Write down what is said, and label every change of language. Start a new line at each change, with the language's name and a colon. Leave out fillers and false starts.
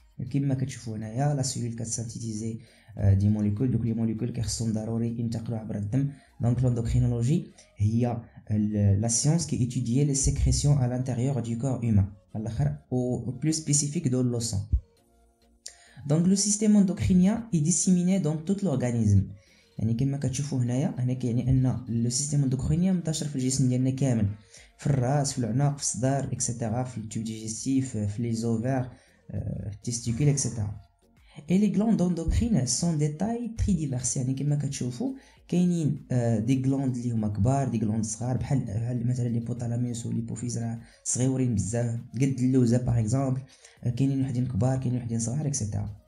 Arabic: كما كتشوفوا هنايا لا سيلول كتسانتيتيزي دي موليكول، دوك لي موليكول كيخصهم ضروري ينتقلوا عبر الدم.
French: دونك لوندوكرينولوجي هي لا سيونس كي ايتوديي لي سيكريسيون على الانتيريور دو كور هومان على الاخر، او بلو سبيسيفيك دو لو سان. Donc le système endocrinien est disséminé dans tout l'organisme.
Arabic: يعني كما كتشوفوا هنايا هنا كيعني ان لو سيستيم اندوكرينيا منتشر في الجسم ديالنا كامل، في الراس، في العناق، في الصدر اكسيتيرا، في التوب ديجيستيف، في لي زوفير، تيستيكول اكسيتيرا. اي لي غلاند اندوكرين سون دي تاي تري ديفيرس، يعني كما كتشوفوا كاينين دي غلاند اللي هما كبار، دي غلاند صغار، بحال مثلا لي بوتالاميوس ولي بوفيزرا صغيورين بزاف قد اللوزه باغ اكزومبل، كاينين وحدين كبار، كاينين وحدين صغار اكسيتيرا.